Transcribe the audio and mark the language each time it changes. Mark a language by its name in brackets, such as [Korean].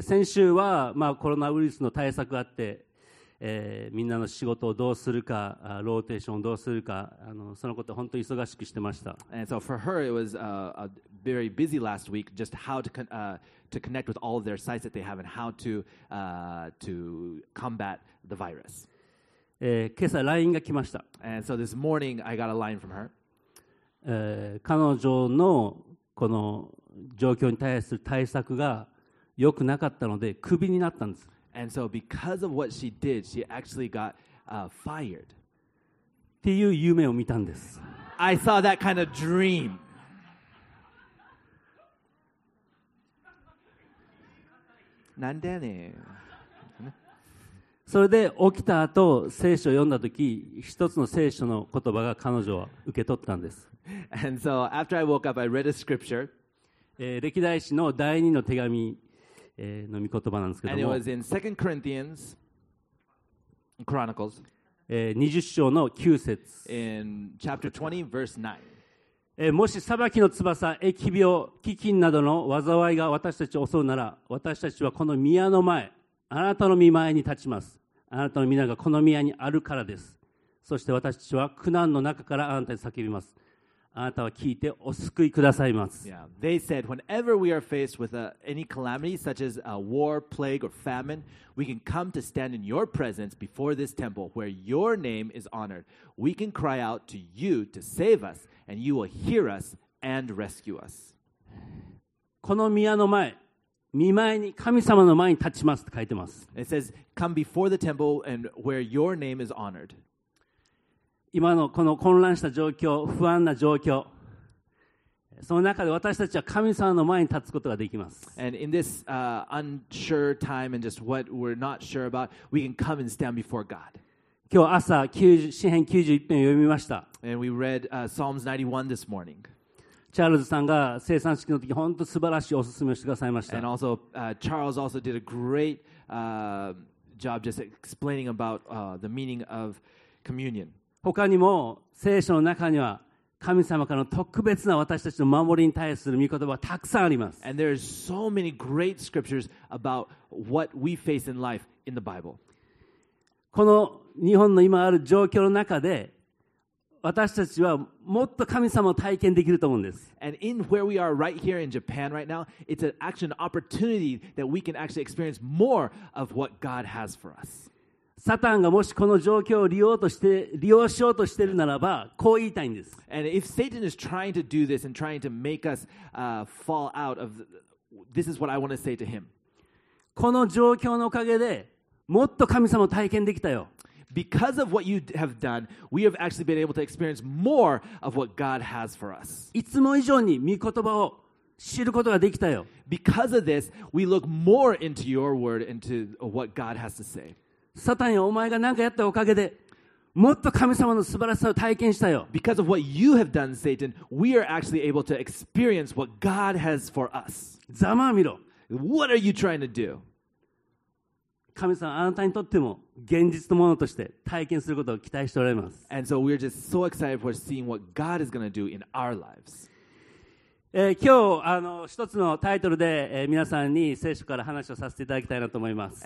[Japanese] 先週はまあコロナウイルスの対策があって、みんなの仕事をどうするか、ローテーションをどうするか、あのそのことを本当に忙しくしてました。 [English] And so for her it was a very busy last week, just how to connect with all of their sites that they have and how to combat the virus. [Japanese] 今朝 LINE が来ました。 [English] And so this morning I got a line from her. [Japanese] 彼女のこの状況に対する対策が良くなかったので、クビになったんです。 [English] And so because of what she did, she actually got fired. [Japanese] っていう夢を見たんです。 [English] I saw that kind of dream. [Japanese] なんだよね。それで起きた後、聖書を読んだとき、一つの聖書の言葉が彼女は受け取ったんです。 [English] And so after I woke up, I read a scripture. [Japanese] 歴代史の第二の手紙の御言葉なんですけども、 [English] And it was in 2 Corinthians Chronicles. [Japanese] 20章の9節。 [English] In chapter 20, verse 9. [Japanese] もし裁きの翼、疫病、飢饉などの災いが私たちを襲うなら、私たちはこの宮の前、あなたの御前に立ちます。あなたの皆がこの宮にあるからです。そして私たちは苦難の中からあなたに叫びます。あなたは聞いてお救いくださいます。 [English] Yeah. They said, whenever we are faced with any calamity, such as a war, plague, or famine, we can come to stand in your presence before this temple where your name is honored. We can cry out to you to save us, and you will hear us and rescue us. [Japanese] この宮の前、御前に、神様の前に立ちますと書いてます。 [English] It says, come before the temple and where your name is honored. [Japanese] 今のこの混乱した状況、不安な状況、その中で私たちは神様の前に立つことができます。 [English] And in this unsure time and just what we're not sure about, we can come and stand before God. [Japanese] 今日朝、詩篇91篇を読みました。 [English] And we read Psalms 91 this morning. [Japanese] チャールズさんが生産式の時、本当に素晴らしいおすすめをしてくださいました。 [English] And also, Charles also did a great job just explaining about the meaning of communion. [Japanese] 他にも聖書の中には神様からの特別な私たちの守りに対する御言葉はたくさんあります。 [English] And there are so many great scriptures about what we face in life in the Bible. [Japanese] この日本の今ある状況の中で、私たちはもっと神様を体験できると思うんです。 [English] And in where we are right here in Japan right now, it's an actual opportunity that we can actually experience more of what God has for us. [Japanese] サタンがもしこの状況を利用しようとしてるならば、こう言いたいんです。 [English] And if Satan is trying to do this and trying to make us fall out of this is what I want to say to him. [Japanese] この状況のおかげでもっと神様を体験できたよ。 [English] Because of what you have done, we have actually been able to experience more of what God has for us. [Japanese] いつも以上に御言葉を知ることができたよ。 [English] Because of this, we look more into your word, into what God has to say. [Japanese] サタンやお前が何かやったおかげで、もっと神様の素晴らしさを体験したよ。 [English] Because of what you have done, Satan, we are actually able to experience what God has for us. [Japanese] ざまあ見ろ。 [English] What are you trying to do? [Japanese] 神様、あなたにとっても現実のものとして体験することを期待しております。 [English] And so we're just so excited for seeing what God is going to do in our lives. [Japanese] 今日一つのタイトルで皆さんに聖書から話をさせていただきたいなと思います。